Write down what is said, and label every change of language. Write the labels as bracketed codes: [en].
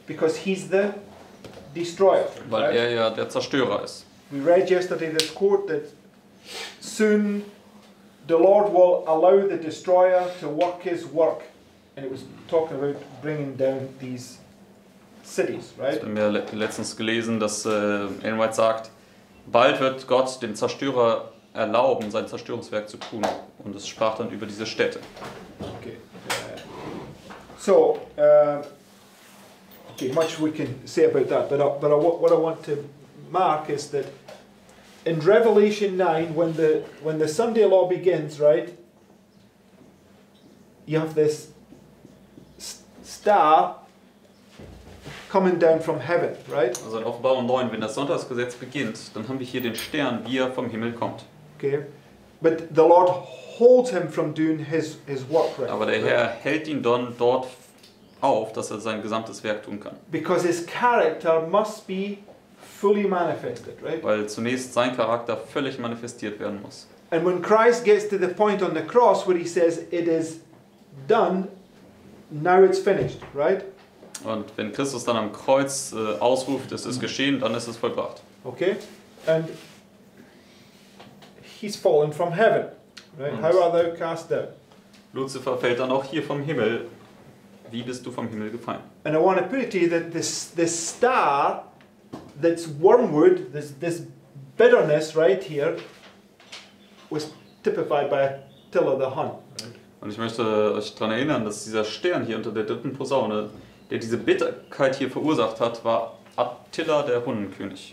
[en] Because he's the destroyer. [de] Weil er ja der Zerstörer ist. [en] We read yesterday this quote that soon the Lord will allow the destroyer to work his work. And it was talking about bringing down these cities, right? [de] Das haben wir letztens gelesen, dass Ellen White sagt, bald wird Gott dem Zerstörer erlauben, sein Zerstörungswerk zu tun. Und es sprach dann über diese Städte. [en] Okay. So, much we can say about that, but what I want to mark is that in Revelation 9, when the Sunday law begins, right, you have this star coming down from heaven, right? [de] Also in Offenbarung 9, wenn das Sonntagsgesetz beginnt, dann haben wir hier den Stern, wie er vom Himmel kommt. [en] Okay, but the Lord holds him from doing his work, right? [de] Aber der Herr hält ihn dann dort auf, dass er sein gesamtes Werk tun kann. [en] Because his character must be fully manifested, right? [de] Weil zunächst sein Charakter völlig manifestiert werden muss. [en] And when Christ gets to the point on the cross where he says, it is done, now it's finished, right? [de] Und wenn Christus dann am Kreuz ausruft, es ist geschehen, dann ist es vollbracht. [en] Okay, and he's fallen from heaven, right? Und how are thou cast down? [de] Lucifer fällt dann auch hier vom Himmel. Wie bist du vom Himmel gefallen? [en] And I want to put it to you that this star, that's wormwood, this bitterness right here, was typified by Attila the Hun. Right? [de] Und ich möchte euch daran erinnern, dass dieser Stern hier unter der dritten Posaune, der diese Bitterkeit hier verursacht hat, war Attila der Hunnenkönig.